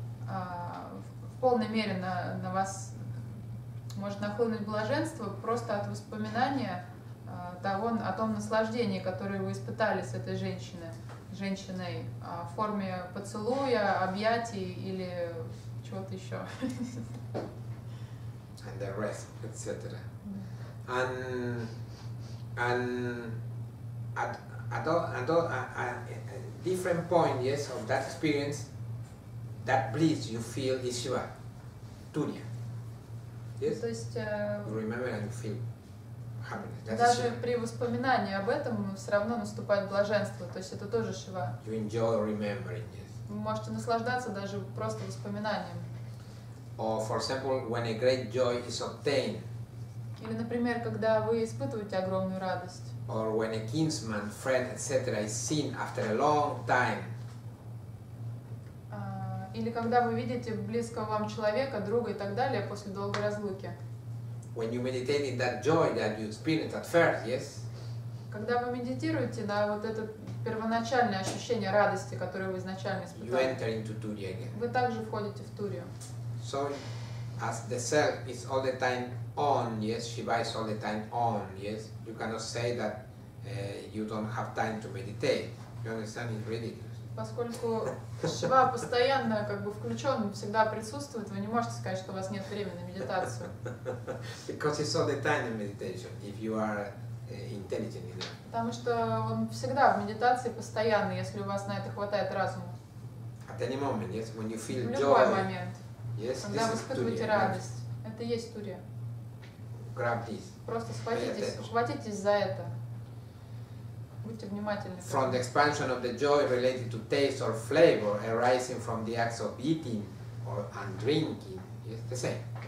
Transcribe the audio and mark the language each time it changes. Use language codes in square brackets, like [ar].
[ru] В полной мере на вас может нахлынуть блаженство просто от воспоминания о том наслаждении, которое вы испытали с этой женщиной в форме поцелуя, объятий или чего-то еще. [en] And the rest, etc. And at a different point, yes, of that experience, that bliss you feel is Shiva, Turiya. Yes. [ru] То есть, [en] you remember and you feel. [ru] Даже при воспоминании об этом все равно наступает блаженство, то есть это тоже шива. [en] You enjoy remembering, yes. [ru] Вы можете наслаждаться даже просто воспоминанием. [en] Or, for example, when a great joy is obtained. [ru] Или, например, когда вы испытываете огромную радость. [en] Or when a kinsman, friend, etc. is seen after a long time. [ru] Или когда вы видите близкого вам человека, друга и так далее после долгой разлуки. [en] When you meditate in that joy that you experience at first, yes? [ru] Когда вы медитируете на вот это первоначальное ощущение радости, которое вы изначально испытали, [en] you enter into Turiya again. [ru] Вы также входите в Турию. [en] So, as the self is all the time on, yes, Shiva is all the time on, yes, you cannot say that you don't have time to meditate. You understand? It's ridiculous. [ru] Поскольку Шива постоянно как бы включен, всегда присутствует, вы не можете сказать, что у вас нет времени на медитацию. [en] Because it's all the time in meditation, if you are intelligent enough. [ru] Потому что он всегда в медитации постоянно, если у вас на это хватает разума. [en] At any moment, yes, when you feel joy. [ru] В любой момент. [en] Yes, [ru] когда вы испытываете радость. Это есть Турия. [en] Grab this. [ru] Просто схватитесь, ухватитесь за это. Будьте внимательны. [en] From the expansion of the joy related to taste or flavor arising from the acts of eating or and drinking, yes, the same.